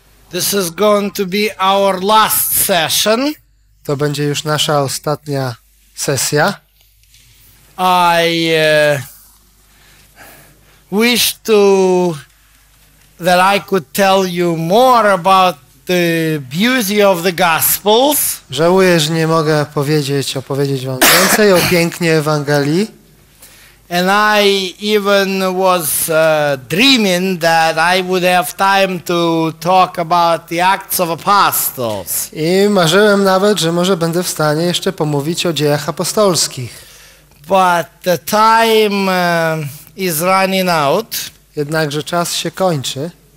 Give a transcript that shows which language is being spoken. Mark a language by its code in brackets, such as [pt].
[en] This is going to be our last session. [pl] To będzie już nasza ostatnia sesja. [en] I wish that I could tell you more about the beauty of the Gospels. [pl] Żałuję, że nie mogę opowiedzieć wam więcej o pięknie Ewangelii. [en] And I even was dreaming that I would have time to talk about the Acts of Apostles. [pl] I marzyłem nawet, że może będę w stanie jeszcze pomówić o dziejach apostolskich. [en] But the time is running out. [pl] Jednakże czas się kończy.